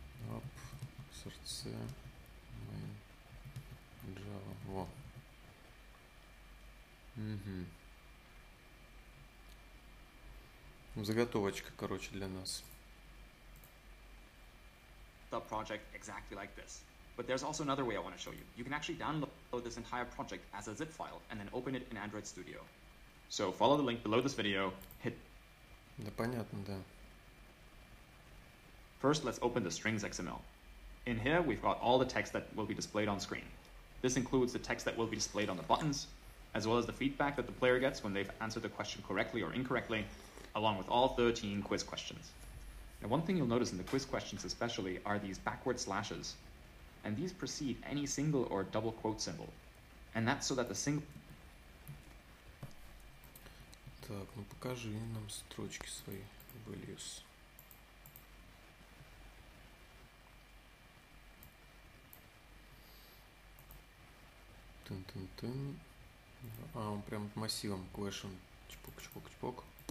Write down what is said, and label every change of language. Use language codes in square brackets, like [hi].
[ru] Оп, сердце, main, Java, во. Заготовочка, короче, для нас. [en] The project exactly like this. But there's also another way I want to show you. You can actually download this entire project as a zip file and then open it in Android Studio. So follow the link below this video. Hit. [ru] Да понятно, да. [en] First, let's open the strings XML. In here, we've got all the text that will be displayed on screen. This includes the text that will be displayed on the buttons, as well as the feedback that the player gets when they've answered the question correctly or incorrectly, along with all 13 quiz questions. Now, one thing you'll notice in the quiz questions especially are these backward slashes, and these precede any single or double quote symbol. And that's so that the single... [ru] Так, ну покажи нам строчки свои, values. Тын-тын-тын. А, он прям массивом, question, чпок-чпок-чпок.